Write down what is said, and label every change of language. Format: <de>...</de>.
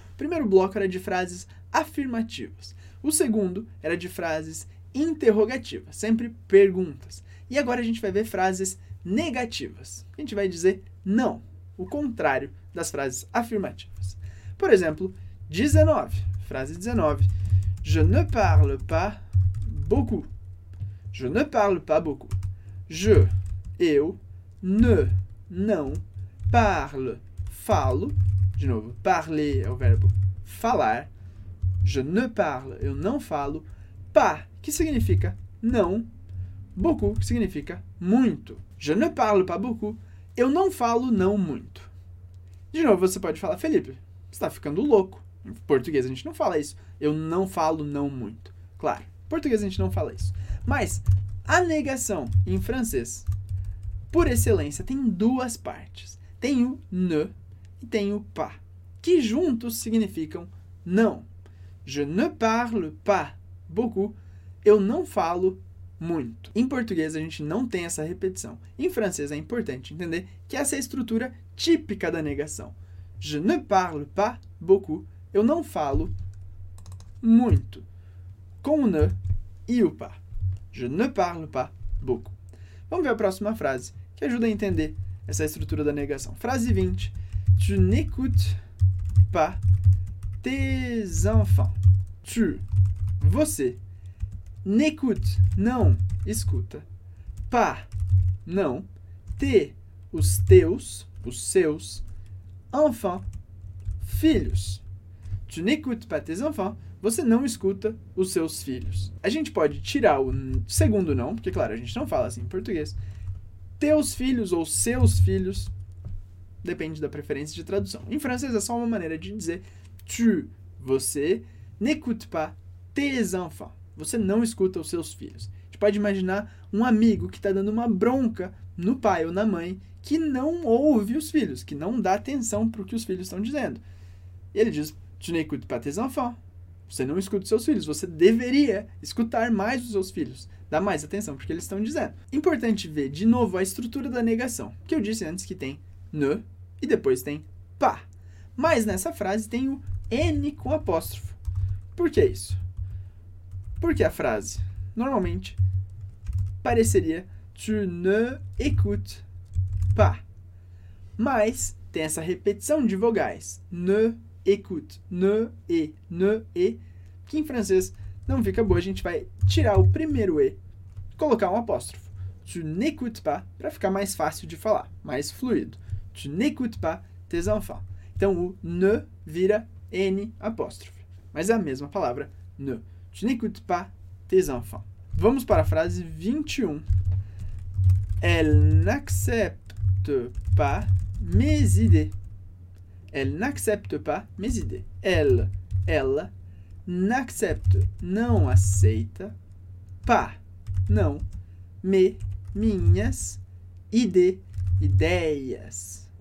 <pt>O primeiro bloco era de frases afirmativas. O segundo era de frases interrogativas, sempre perguntas. E agora a gente vai ver frases negativas. A gente vai dizer não, o contrário das frases afirmativas. Por exemplo, 19, frase 19.</pt> <fr>Je ne parle pas beaucoup. Je ne parle pas beaucoup.</fr> <pt>Je, eu, ne, não, parle, falo. De novo, parler é o verbo falar. Je ne parle, eu não falo. Pas, que significa não. Beaucoup, que significa muito.</pt> <fr>Je ne parle pas beaucoup.</fr> <pt>Eu não falo não muito. De novo, você pode falar, Felipe, você está ficando louco. Em português a gente não fala isso. Eu não falo não muito. Claro, em português a gente não fala isso. Mas a negação em francês, por excelência, tem duas partes. Tem o ne e tem o pas, que juntos significam não.</pt> <fr>Je ne parle pas beaucoup.</fr> <pt>Eu não falo muito. Em português, a gente não tem essa repetição. Em francês, é importante entender que essa é a estrutura típica da negação.</pt> <fr>Je ne parle pas beaucoup.</fr> <pt>Eu não falo muito. Com o</pt> <fr>ne e o pas. Je ne parle pas beaucoup.</fr> <pt>Vamos ver a próxima frase, que ajuda a entender essa estrutura da negação. Frase 20.</pt> <fr>Tu n'écoutes pas tes enfants.</fr> <pt>Tu, você. N'écoute, não, escuta. Pas, não. Te, os seus. Enfants, filhos.</pt> <fr>Tu n'écoutes pas tes enfants.</fr> <pt>Você não escuta os seus filhos. A gente pode tirar o segundo não, porque, claro, a gente não fala assim em português. Teus filhos ou seus filhos, depende da preferência de tradução. Em francês é só uma maneira de dizer</pt> <fr>tu, você, n'écoute pas tes enfants.</fr> <pt>Você não escuta os seus filhos. A gente pode imaginar um amigo que está dando uma bronca no pai ou na mãe que não ouve os filhos, que não dá atenção para o que os filhos estão dizendo. E ele diz,</pt> <fr>tu n'écoutes pas tes enfants.</fr> <pt>Você não escuta os seus filhos. Você deveria escutar mais os seus filhos. Dá mais atenção para o que eles estão dizendo. Importante ver, de novo, a estrutura da negação. Que eu disse antes que tem ne e depois tem pa. Mas nessa frase tem o n com apóstrofo. Por que isso? Porque a frase, normalmente, pareceria</pt> <fr>tu ne écoutes pas.</fr> <pt>Mas tem essa repetição de vogais. Ne écoute. Ne e. Ne e. Que em francês não fica boa. A gente vai tirar o primeiro e, colocar um apóstrofo.</pt> <fr>Tu n'écoutes pas,</fr> <pt>para ficar mais fácil de falar, mais fluido.</pt> <fr>Tu n'écoutes pas tes enfants.</fr> <pt>Então o ne vira n apóstrofo. Mas é a mesma palavra, ne.</pt> <fr>Tu n'écoutes pas tes enfants.</fr> <pt>Vamos para a frase 21.</pt> <fr>Elle n'accepte pas mes idées. Elle n'accepte pas mes idées.</fr> <pt>Elle, ela, n'accepte, não aceita, pas, não, mes, minhas, idées, ideias.</pt>